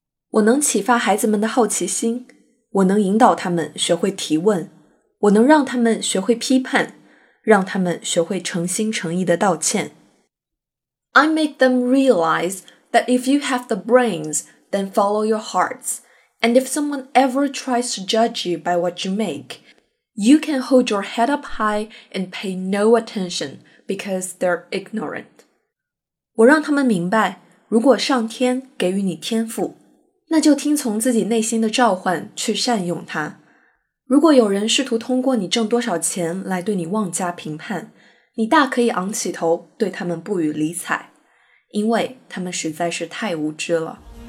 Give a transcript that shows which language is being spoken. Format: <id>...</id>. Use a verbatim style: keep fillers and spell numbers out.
<zh>我能启发孩子们的好奇心，我能引导他们学会提问，我能让他们学会批判，让他们学会诚心诚意的道歉。</zh> <en>I make them realize that if you have the brains, then follow your hearts. And if someone ever tries to judge you by what you make, you can hold your head up high and pay no attention because they're ignorant.</en> <zh>我让他们明白，如果上天给予你天赋，那就听从自己内心的召唤去善用它。如果有人试图通过你挣多少钱来对你妄加评判，你大可以昂起头对他们不予理睬，因为他们实在是太无知了。</zh>